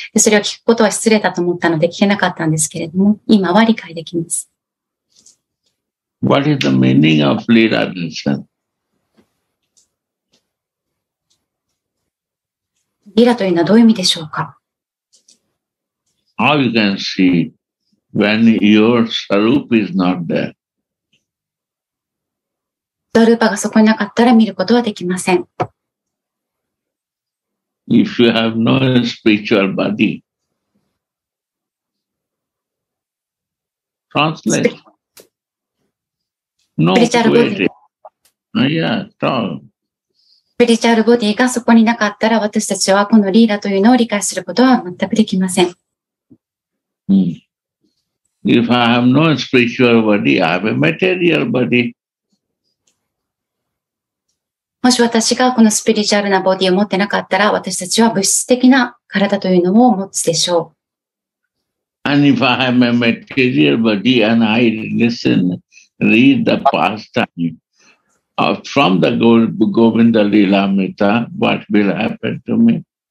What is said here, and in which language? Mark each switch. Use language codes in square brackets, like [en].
[ja] それを聞くことは失礼だと思ったので聞けなかったんですけれども、今は理解できます。 [en] What is the meaning of Lila Dinsen? [ja] Lila というのはどういう意味でしょうか。 [en] How you can see when your sarup is not there? [ja] ドルーパがそこになかったら見ることはできません。 [en] If you have no spiritual body, translate. No spiritual body. Spiritual body [ja] がそこになかったら私たちはこのリーラというのを理解することは全くできません。 [en] If I have no spiritual body, I have a material body. [ja] もし私がこのスピリチュアルなボディを持ってなかったら、私たちは物質的な体というのを持つでしょう。 [en] And if I have a material body and I listen, read the pastime from the Govinda Lila Amrita, what will happen to me?